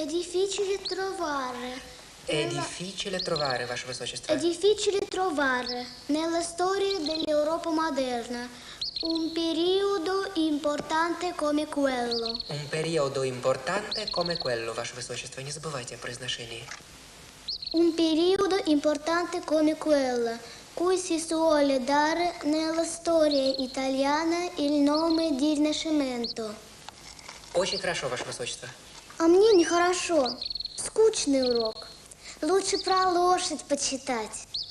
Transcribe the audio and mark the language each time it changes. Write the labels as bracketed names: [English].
[Italian] Edificile trovare, [Russian] ваше высочество. [Italian] Edificile trovare nella storia dell'Europa moderna un periodo importante come quello. Un periodo importante come quello, [Russian] ваше высочество, не забывайте о произношении. [Italian] Un periodo importante come quello, cui si suole dare nella storia italiana il nome di Rinascimento. [Russian] Очень хорошо, ваше высочество. А мне нехорошо. Скучный урок. Лучше про лошадь почитать.